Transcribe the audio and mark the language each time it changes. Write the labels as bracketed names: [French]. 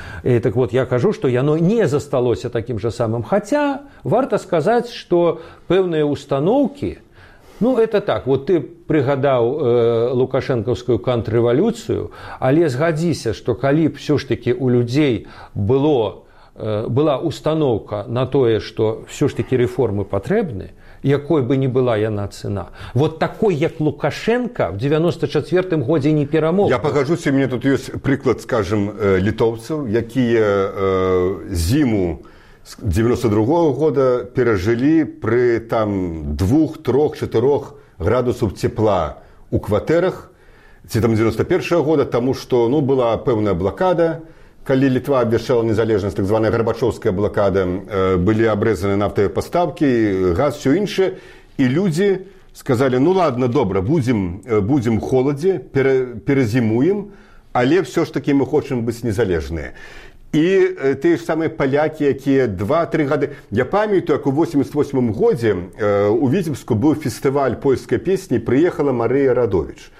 [Belarusian] І так вот, я кажу, што яно не засталося такім жа самым. Хаця, варта сказаць, што пэўныя ўстаноўкі, ну, это так, вот ты прыгадаў лукашэнкаўскую контррэвалюцыю, але згадзіся, што калі б ўсё ж такі ў людзей было, была ўстаноўка на тое, што ўсё ж такі рэформы патрэбны, якой бы ні была яна цына. Вот такой, як Лукашэнка в 94-м годзе не перамог. Я пагаджуся, у мяне тут ёсць прыклад, скажам, літоўцаў, якія зіму 92-го года перажылі пры там 2-3-4 градусаў цепла ў кватэрах, ці там 91-го года, таму што ну, была пэўная блакада, калі Літва абвяшчала незалежнасць, так званая Гарбачоўская блакада, былі абрэзаны нафтавыя пастаўкі, газ, усё іншае, і людзі [Russian] сказали, ну ладно, добра, будем в холоде, перезимуем, але все ж таки мы хочем быть незалежные. И те же самые поляки, которые 2-3 года... Я помню, как в 88-м году у Витебску был фестиваль польской песни, приехала Мария Радович.